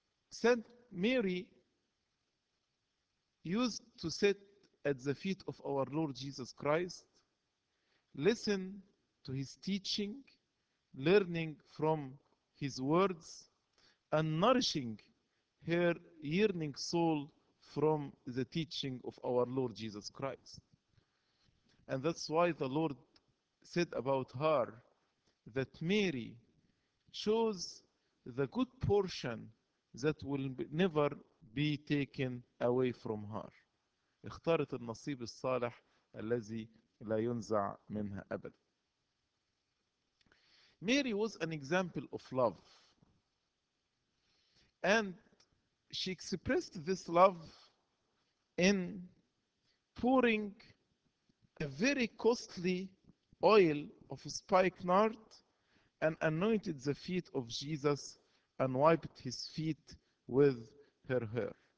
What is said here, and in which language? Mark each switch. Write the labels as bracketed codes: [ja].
[en] Saint Mary used to sit at the feet of our Lord Jesus Christ, listen to his teaching, learning from his words, and nourishing her yearning soul from the teaching of our Lord Jesus Christ. And that's why the Lord said about her that Mary chose the good portion that will never be taken away from her. [ar] اختارت النصيب الصالح الذي لا ينزع منها أبدا. [en] Mary was an example of love. And she expressed this love in pouring a very costly oil of spikenard and anointed the feet of Jesus and wiped his feet with her hair.